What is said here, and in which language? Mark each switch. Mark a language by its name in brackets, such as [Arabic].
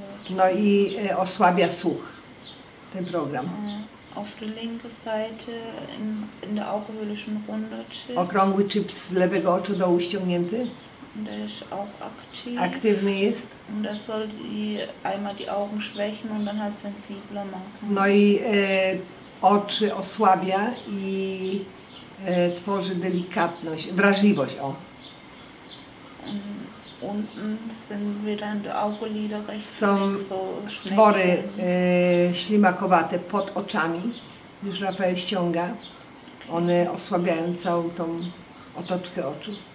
[Polish] No i osłabia słuch, ten program. [German] Auf der linken Seite in der Augenhöhle schon runder Chip. [Polish] Okrągły chip z lewego oczu do uściągnięty. [German] Der ist auch aktiv. [Polish] Aktywny jest. [German] Und das soll einmal die Augen schwächen und dann halt sensibler machen. [Polish] No i oczy osłabia i tworzy delikatność, wrażliwość, o. [German] Unten sind wieder in der Augenlider recht [Polish] so stwory ślimakowate pod oczami, już Rafael ściąga. One osłabiają całą tą otoczkę oczu.